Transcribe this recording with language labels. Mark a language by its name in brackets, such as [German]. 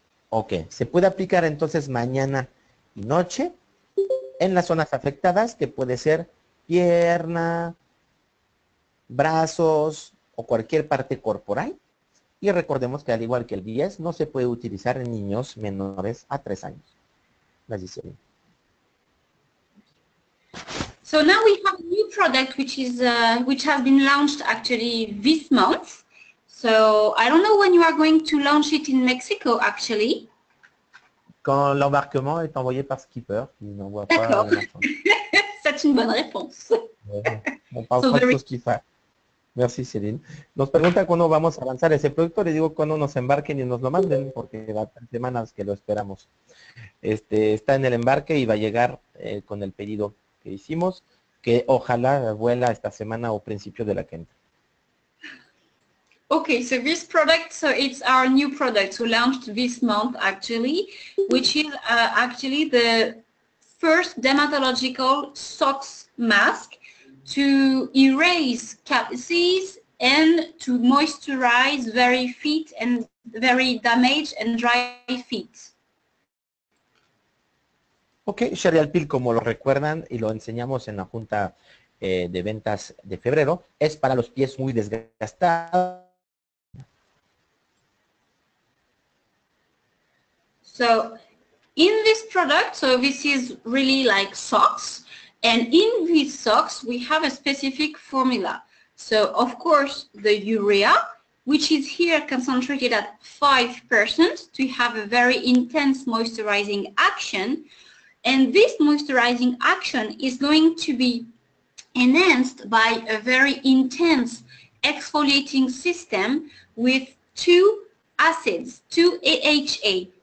[Spanish] Ok, se puede aplicar entonces mañana y noche en las zonas afectadas, que puede ser pierna, brazos o cualquier parte corporal. Y recordemos que al igual que el 10, no se puede utilizar en niños menores a 3 años. Gracias. [English] So now we have a new product which is which has been launched actually this month. So I don't know when you are going to launch it in Mexico actually. [French] Quand l'embarquement est envoyé par Skipper, il n'envoie pas. D'accord. C'est C'est une bonne réponse. [Spanish] Bueno, pausa tus quizás. Merci, Céline. Nos pregunta cuándo vamos a lanzar ese producto. Le digo cuándo nos embarquen y nos lo manden, porque va a tener semanas que lo esperamos. Está en el embarque y va a llegar con el pedido que hicimos, que ojalá vuela esta semana o principio de la que entra. [English] Okay, so this product, so it's our new product, so launched this month actually, which is actually the first dermatological socks mask to erase calluses and to moisturize very feet and very damaged and dry feet. [Spanish] Okay, Sherial Peel, como lo recuerdan y lo enseñamos en la junta de ventas de febrero, es para los pies muy desgastados. [English] So in this product, so this is really like socks, and in these socks we have a specific formula. So of course the urea, which is here concentrated at 5% to have a very intense moisturizing action, and this moisturizing action is going to be enhanced by a very intense exfoliating system with two acids, two AHA.